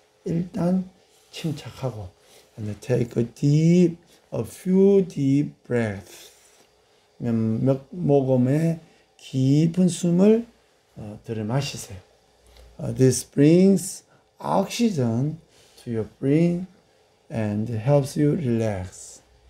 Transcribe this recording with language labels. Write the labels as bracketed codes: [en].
[ko] 일단 침착하고 [en] and take a deep, a few deep breaths. [ko] 몇 모금의 깊은 숨을 들이마시세요. [en] This brings oxygen to your brain and helps you relax.